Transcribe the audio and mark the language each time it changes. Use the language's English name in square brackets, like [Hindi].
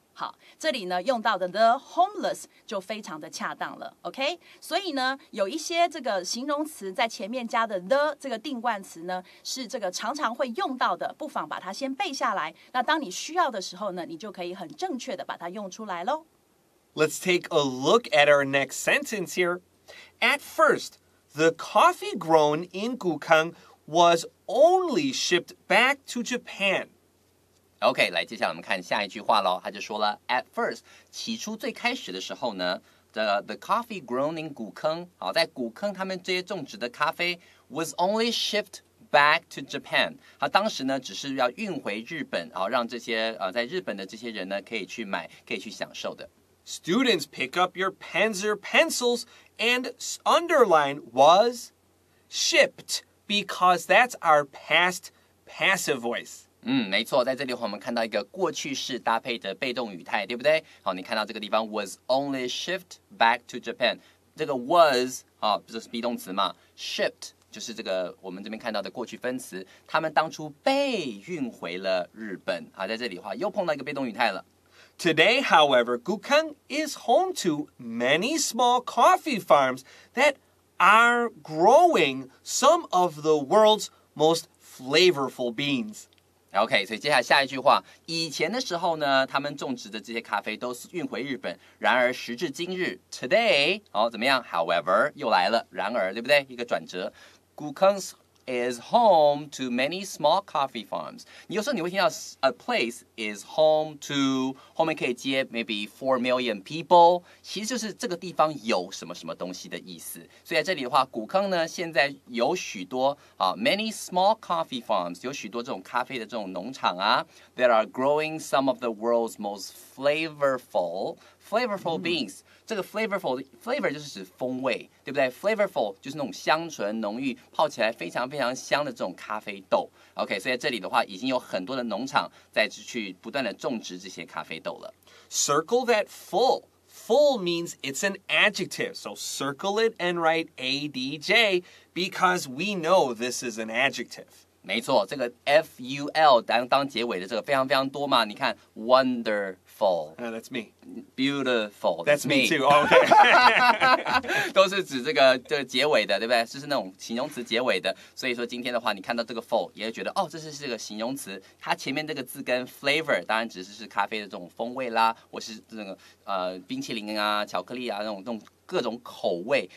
[Chinese] 好，这里呢用到的 [English] the homeless [Chinese] 就非常的恰当了 ，OK？所以呢，有一些这个形容词在前面加的 the 这个定冠词呢，是这个常常会用到的，不妨把它先背下来。那当你需要的时候呢，你就可以很正确的把它用出来喽。 [English] Let's take a look at our next sentence here. At first, the coffee grown in Gukeng was only shipped back to Japan. [Chinese] OK， 来，接下来我们看下一句话咯。他就说了 ， [English] At first， [Chinese] 起初最开始的时候呢 ， [English] the coffee grown in [Chinese] 古坑，好，在古坑他们这些种植的咖啡 [English] was only shipped back to Japan. [Chinese] 他当时呢只是要运回日本，然后让这些在日本的这些人呢可以去买，可以去享受的。 [English] Students, pick up your pens or pencils and underline was shipped because that's our past passive voice. [Chinese] 没错，在这里我们看到一个过去式搭配的被动语态，对不对？好，你看到这个地方 [English] was only shipped back to Japan. [Chinese] 这个 was 啊，这是 be 动词嘛 ？Shipped 就是这个我们这边看到的过去分词，他们当初被运回了日本。好，在这里话又碰到一个被动语态了。 [English] Today, however, Gukeng is home to many small coffee farms that are growing some of the world's most flavorful beans. [Chinese] Okay, so 接下来下一句话，以前的时候呢，他们种植的这些咖啡都是运回日本。然而时至今日 ，today， 好、哦、怎么样 ？However， 又来了，然而，对不对？一个转折 [English] ，Gukeng is home to many small coffee farms. [Chinese] 你有时候你会听到 [English] a place is home to, [Chinese] 后面可以接 [English] maybe 4 million people, [Chinese] 其实就是这个地方有什么什么东西的意思。所以在这里的话，古坑呢现在有许多、 [English] many small coffee farms, [Chinese] 有许多这种咖啡的这种农场啊 [English] that are growing some of the world's most flavorful beans. [Chinese] 这个 flavor 就是指风味，对不对 ？flavorful 就是那种香醇浓郁，泡起来非常非常香的这种咖啡豆。 OK， 所以在这里的话，已经有很多的农场在去不断的种植这些咖啡豆了。 [English] Circle that full. Full means it's an adjective, so circle it and write adj because we know this is an adjective. [Chinese] 没错，这个 F U L 当结尾的这个非常非常多嘛。你看 ，wonderful， [English] that's me， beautiful， that's me too， OK， [Chinese] 都是指这个结尾的，对不对？就是那种形容词结尾的。所以说今天的话，你看到这个 full， 也会觉得哦，这是这个形容词，它前面这个字根 flavor， 当然只是咖啡的这种风味啦，或是这个冰淇淋啊、巧克力啊那种各种口味。